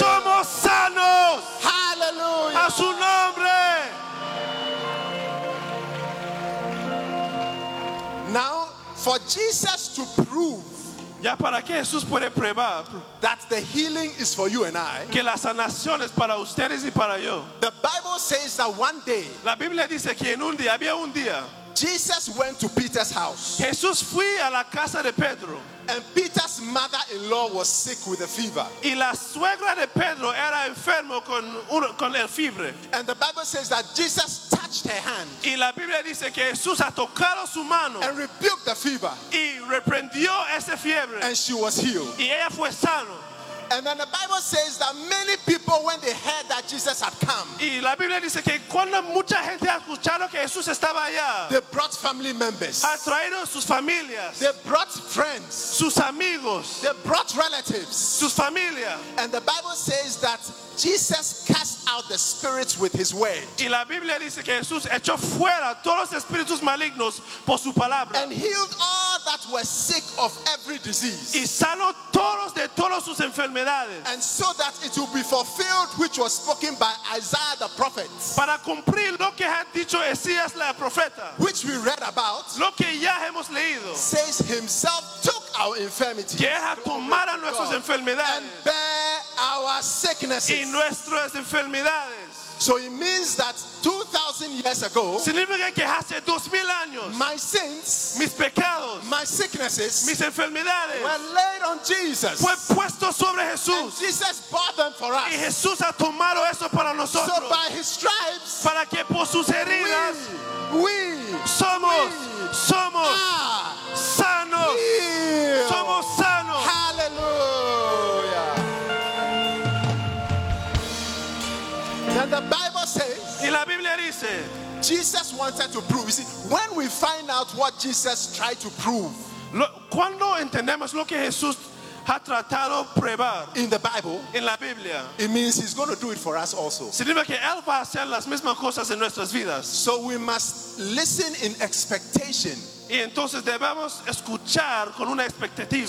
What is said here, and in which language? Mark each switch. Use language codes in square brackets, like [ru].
[es] Somos sanos. [en] Hallelujah. [es] A su nombre. [en] Now, for Jesus to prove [es] ya para que Jesús puede probar [en] that the healing is for you and I, [es] que la sanación es para ustedes y para yo, [en] the Bible says that one day, [es] la Biblia dice que en un día, había un día, [en] Jesus went to Peter's house. [es] Jesús fue a la casa de Pedro. [en] And Peter's mother-in-law was sick with a fever. [es] Y la suegra de Pedro era enfermo con el fiebre. [en] And the Bible says that Jesus touched her hand. [es] Y la Biblia dice que Jesús ha tocado su mano. [en] And rebuked the fever. [es] Y reprendió ese fiebre. [en] And she was healed. [es] Y ella fue sano. [en] And then the Bible says that many people, when they heard that Jesus had come, [es] y la Biblia dice que cuando mucha gente ha escuchado que Jesús estaba allá, [en] they brought family members, [es] ha traído sus familias, [en] they brought friends, [es] sus amigos, [en] they brought relatives, [es] sus familia. [en] And the Bible says that Jesus cast out the spirits with his word. [es] Y la Biblia dice que Jesús echó fuera todos los espíritus malignos por su palabra. [en] And healed all that were sick of every disease. [es] Y sanó todos de todas sus enfermedades. [en] And so that it will be fulfilled which was spoken by Isaiah the prophet. [es] Para cumplir lo que ha dicho Isaías la profeta. [en] Which we read about. [es] Lo que ya hemos leído. [en] Says himself took our infirmities. [es] Que ha tomado nuestras enfermedades. [en] And bear our sicknesses. [es] Y nuestras enfermedades. [en] So it means that 2,000 years ago, [es] significa que hace 2,000 años, [en] my sins, [es] mis pecados, [en] my sicknesses, [es] mis enfermedades, [en] were laid on Jesus. [es] Fue puesto sobre Jesús. [en] And Jesus bought them for us. [es] Y Jesús ha tomado eso para nosotros. [en] So by his stripes, [es] para que por sus heridas, we somos sanos. [en] Healed. [es] Somos sanos. [en] Hallelujah. And the Bible says, [es] y la Biblia dice, [en] Jesus wanted to prove. You see, when we find out what Jesus tried to prove, [es] cuando entendemos lo que Jesús ha tratado probar [en] in the Bible, [es] en la Biblia, [en] it means he's going to do it for us also. [es] Significa que él va a hacer las mismas cosas en nuestras vidas. [en] So we must listen in expectation. [es] Y entonces debemos escuchar con una expectativa.